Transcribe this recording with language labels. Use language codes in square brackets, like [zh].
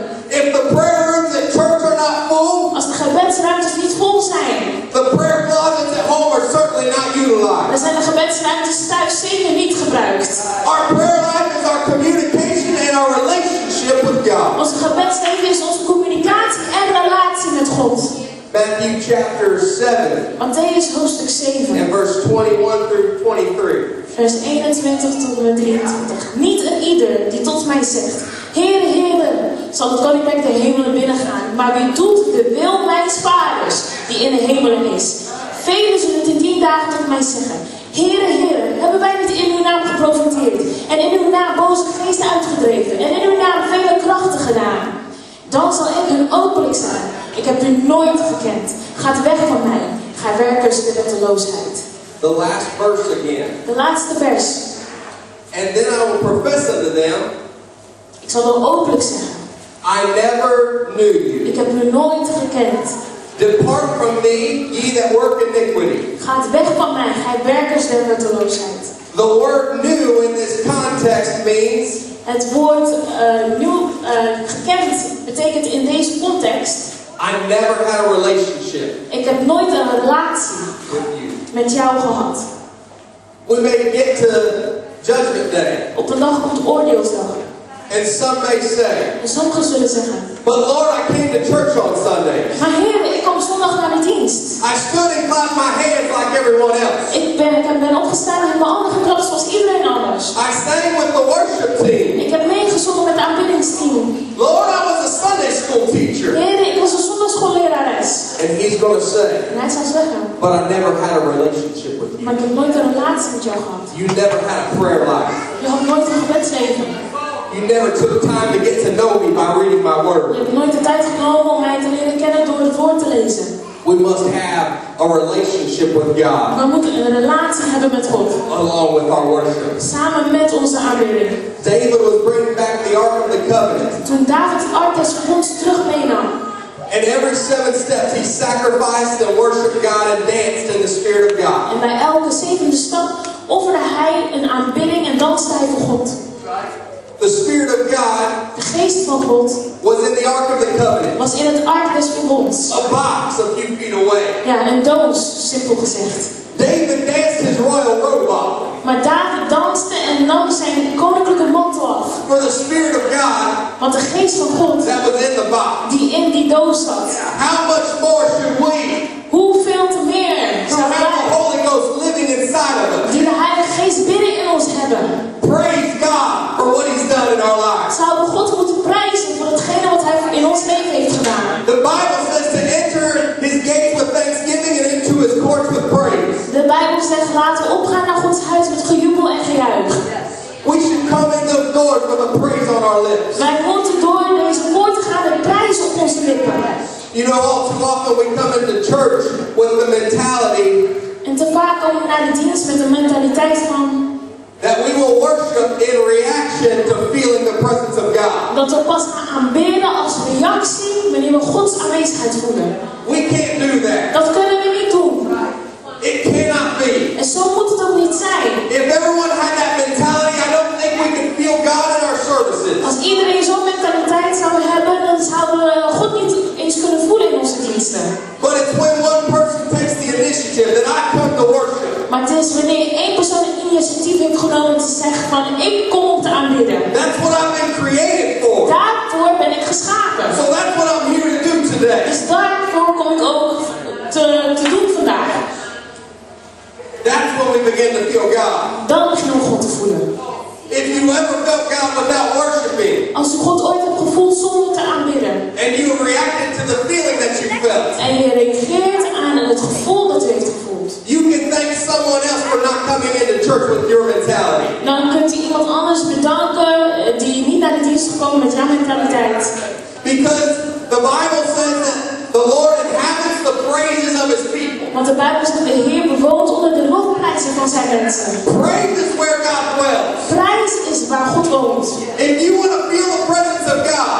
[en] If the prayer rooms at church are not full, [nl] als de gebedsruimtes niet vol zijn, [en] the prayer closets at home are certainly not utilized. [nl] Dan zijn de gebedsruimtes thuis zeker niet gebruikt. [en] Our prayer life is our communication and our relationship with God. [nl] Ons gebedsleven is onze communicatie en relatie met God. [en] Matthew chapter 7. [nl] Matthäus hoofdstuk 7. [en] And verse 21 through 23. [nl] Vers 21 tot 23. Yeah. Niet een ieder die tot mij zegt: Heere, Heere, zal het koninkrijk der hemelen binnengaan. Maar wie doet de wil mijns vaders die in de hemelen is? Velen zullen het in die dagen tot mij zeggen: Heere, Heere, hebben wij niet in uw naam geprofiteerd? En in uw naam boze geesten uitgedreven? En in uw naam vele krachten gedaan? Dan zal ik hun openlijk zijn. Ik heb u nooit gekend. Gaat weg van mij. Ga werkers in wetteloosheid. [en] The last verse again. [nl] De laatste vers. [en] And then I will profess unto them. [nl] Ik zal dan openlijk zeggen. [en] I never knew you. [nl] Ik heb u nooit gekend. [en] Depart from me, ye that work iniquity. [nl] Gaat weg van mij. Ga werkers in wetteloosheid. [en] The word new in this context means. [nl] Het woord nieuw gekend betekent in deze context. [en] I never had a relationship. [nl] Ik heb nooit een relatie met jou gehad. [en] We may get to judgment day. [nl] Op de dag komt oordeelsdag. [en] And some may say. [nl] En sommigen zullen zeggen. [en] But Lord, I came to church on Sunday. [nl] Maar Heer, ik kom zondag naar de dienst. [en] I stood and clapped my hands like everyone else. [nl] Ik ben opgestaan en heb mijn handen geklapt zoals iedereen anders. [en] I sang with the worship team. [nl] Ik heb meegezongen met de aanbiddingsteam. [en] Lord, I was a Sunday school teacher. [nl] Heer, ik was een zondagsschoollerares. [en] And he's going to say. [nl] En hij zal zeggen. [en] But I never had a relationship with you. [nl] Maar ik heb nooit een relatie met jou gehad. [en] You never had a prayer life. [nl] Je had nooit een gebedsleven. [en] You never took time to get to know me by reading my word. [nl] Je hebt nooit de tijd genomen om mij te leren kennen door het woord te lezen. [en] We must have a relationship with God. [nl] We moeten een relatie hebben met God. [en] Along with our worship. [nl] Samen met onze aanbidding. [en] David was bringing back the Ark of the Covenant. [nl] Toen David het Ark des Verbonds terug meenam. [en] And every seven steps he sacrificed and worshiped God and danced in the Spirit of God. [nl] En bij elke zevende stap offerde hij een aanbidding en danste hij voor God. [en] The Spirit of God, [nl] de Geest van God, [en] was in the Ark of the Covenant. [nl] Was in het Ark des Verbonds. [en] A box a few feet away. [nl] Ja, een doos, simpel gezegd. [en] David danced his royal robe off. [nl] Maar David danste en nam zijn koninklijke mantel af. [en] For the Spirit of God, [nl] want de Geest van God, [en] that was in the box, [nl] die in die doos zat. Yeah. [en] How much more should we? [nl] Hoeveel te meer? [en] To have the Holy Ghost living inside of us. [nl] Die de Heilige Geest binnen in ons hebben. [en] Praise God for what He's done in our lives. [nl] Zouden we God moeten prijzen voor hetgene wat Hij in ons leven heeft gedaan? [en] The Bible says to enter His gates with thanksgiving and into His courts with praise. [nl] De Bijbel zegt laten we opgaan naar Gods huis met gejubel en gejuich. [en] We should come in those doors with a praise on our lips. [nl] Wij moeten door in deze poort gaan met prijs op onze lippen. [en] You know, all too often we come into church with the mentality. [nl] En te vaak komen we naar de dienst met de mentaliteit van. [en] That we will worship in reaction to feeling the presence of God. [nl] Dat we pas gaan aanbidden als reactie wanneer we Gods aanwezigheid voelen. [en] We can't do that. [nl] Dat kunnen we niet doen. [en] It cannot be. [nl] En zo moet het ook niet zijn. [en] If everyone had that mentality, I don't think we could feel God in our services. [nl] Als iedereen zo'n mentaliteit zou hebben, dan zouden we God niet eens kunnen voelen in onze diensten. [en] But it's when one person takes the initiative that I come to worship. [nl] Maar het is wanneer één persoon een initiatief heeft genomen te zeggen van ik kom om te aanbidden. [en] That's what I've been created for. [nl] Daarvoor ben ik geschapen. [en] So that's what I'm here to do today. [nl] Dus daarvoor kom ik ook te doen vandaag. [en] That's when we begin to feel God. [nl] Dan beginnen we God te voelen. [en] If you ever felt God without worshiping. [nl] Als je God ooit hebt gevoeld zonder te aanbidden. [en] And you reacted to the feeling that you felt. [nl] En je reageert aan het gevoel dat je hebt gevoeld. [en] You can thank someone else for not coming into church with your mentality. [nl] Dan kunt u iemand anders bedanken die niet naar de dienst gekomen met jouw mentaliteit. [en] Because the Bible says that the Lord inhabits the praises of His people. [nl] Want de Bijbel zegt dat de Heer bewoont onder de lofprijzen van zijn mensen. [en] Praise is where God dwells. [nl] Prijs is waar God woont. [en] If you want to feel the presence of God,